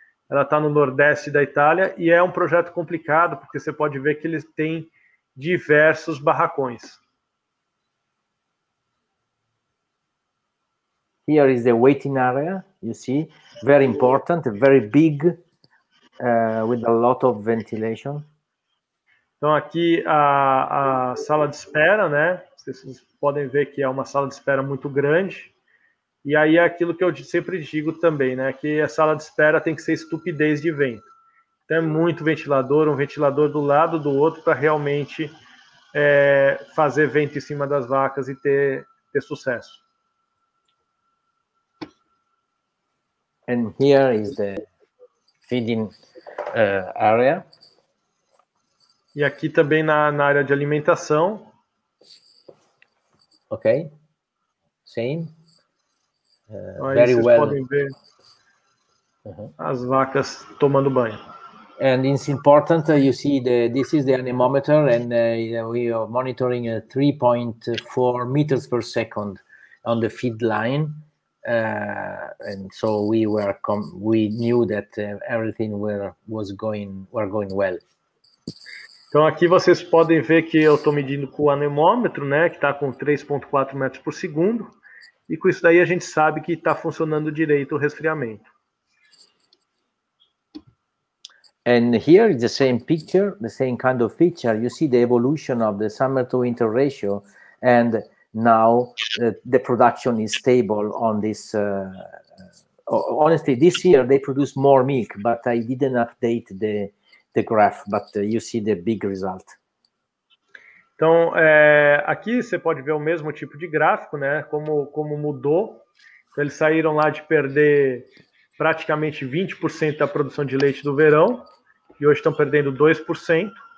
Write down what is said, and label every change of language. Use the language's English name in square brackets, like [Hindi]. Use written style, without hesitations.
[Portuguese] Ela está no nordeste da Itália e é um projeto complicado, porque você pode ver que eles têm diversos barracões. [English] Here is the waiting area, you see, very important, very big, with a lot of ventilation. [Portuguese] Então, aqui a sala de espera, né? Vocês podem ver que é uma sala de espera muito grande. E aí é aquilo que eu sempre digo também, né? Que a sala de espera tem que ser estupidez de vento. Então, é muito ventilador, um ventilador do lado do outro, para realmente fazer vento em cima das vacas e ter sucesso. [English] And here is the feeding area. [Portuguese] E aqui também na área de alimentação. [English] Okay, same. [Portuguese] Então, aí [English] Very [Portuguese] vocês [English] well. [Portuguese] podem ver as vacas tomando banho. [English] And it's important, you see, this is the anemometer, and we are monitoring 3.4 meters per second on the feed line. And so we were we knew that everything were going well. [Portuguese] Então aqui vocês podem ver que eu estou medindo com o anemômetro, né, que está com 3.4 metros por segundo, e com isso daí a gente sabe que está funcionando direito o resfriamento. [English] And here is the same picture, the same kind of picture. You see the evolution of the summer to winter ratio, and now the production is stable on this. Honestly, this year they produce more milk, but I didn't update the graph. But you see the big result. [Portuguese] Então, aqui você pode ver o mesmo tipo de gráfico, né? Como mudou. Então, eles saíram lá de perder praticamente 20% da produção de leite do verão. E hoje estão perdendo 2%.